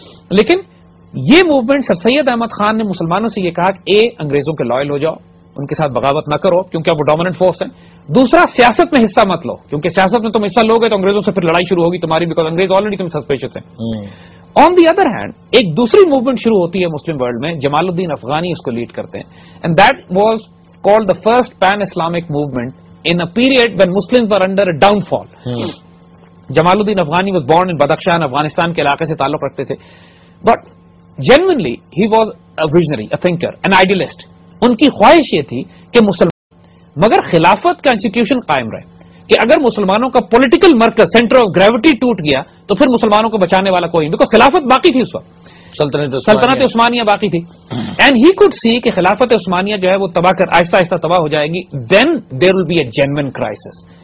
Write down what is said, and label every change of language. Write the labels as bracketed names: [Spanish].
[Urdu] لیکن یہ موومنٹ سر سید احمد خان نے مسلمانوں سے یہ کہا کہ اے انگریزوں کے لائل ہو جاؤ, ان کے ساتھ بغاوت نہ کرو کیونکہ اب وہ ڈومیننٹ فورس ہیں, دوسرا سیاست میں حصہ مت لو کیونکہ سیاست میں تم حصہ لو گے تو انگریزوں سے پھر لڑائی شروع ہوگی تمہاری, بیکاز انگریز آلریڈی تم سسپیشس ہیں. [English] on the other hand [Urdu] ایک دوسری موومنٹ شروع ہوتی ہے مسلم ورلڈ میں, [English] Jamaluddin Afghani [Urdu] اس کو لیڈ کرتے ہیں, [English] And that was called the first pan Islamic movement in a period when Muslims were under a downfall. Jamaluddin Afghani was born in Badakhshan, [Urdu] Afghanistan ke ilaqe se taluq rakhte the, [English] but genuinely he was a visionary, a thinker, an idealist. [Urdu] Unki khwahish ye thi ke Muslim مگر خلافت کا institution قائم رہے. کہ اگر مسلمانوں کا political مرکز سینٹر آف گریوٹی ٹوٹ گیا تو پھر مسلمانوں کو بچانے والا کوئی نہیں, بیکاز خلافت باقی تھی اس وقت, سلطنت عثمانیہ باقی تھی. [English] and he could see [Urdu] کہ خلافت عثمانیہ جو ہے وہ تباہ کر آہستہ آہستہ تباہ ہو جائے گی, [English] Then there will be a genuine crisis.